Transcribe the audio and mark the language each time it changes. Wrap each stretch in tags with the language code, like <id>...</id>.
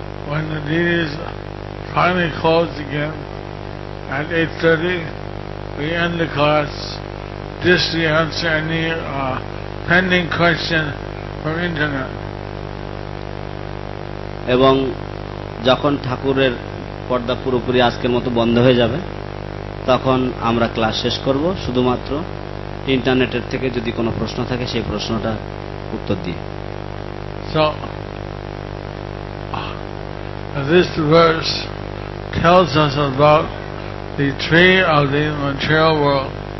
<en>When the DT is finally closed again, at 8:30, we end the class. Just to answer any pending question from internet.</en> <bn>এবং যখন ঠাকুরের পর্দা পুরোপুরি আজকের মতো বন্ধ হয়ে যাবে তখন আমরা ক্লাস শেষ করব, শুধুমাত্র ইন্টারনেটের থেকে যদি কোনো প্রশ্ন থাকে সেই প্রশ্নটা উত্তর দিয়ে.</bn> <en>So this verse tells us about the tree of the material world.</en>